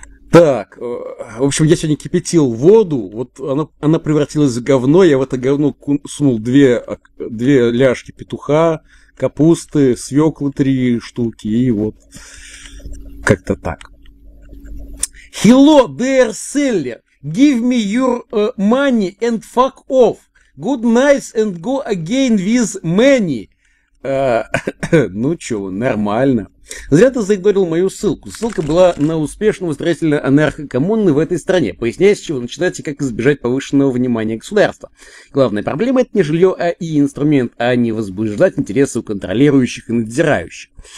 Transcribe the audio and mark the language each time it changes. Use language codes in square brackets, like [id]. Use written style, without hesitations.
[ru] Так, в общем, я сегодня кипятил воду, вот она превратилась в говно, я в это говно сунул две ляжки петуха, капусты, свеклы 3 штуки, и вот как-то так. [en] Hello, dear seller! Give me your money and fuck off. Good night and go again with many. [ru] ну чё, нормально. Зря ты заигнорил мою ссылку. Ссылка была на успешного строителя анархокоммуны в этой стране. Поясняю, с чего начинать и как избежать повышенного внимания государства. Главная проблема – это не жилье, а и инструмент, а не возбуждать интересы у контролирующих и надзирающих.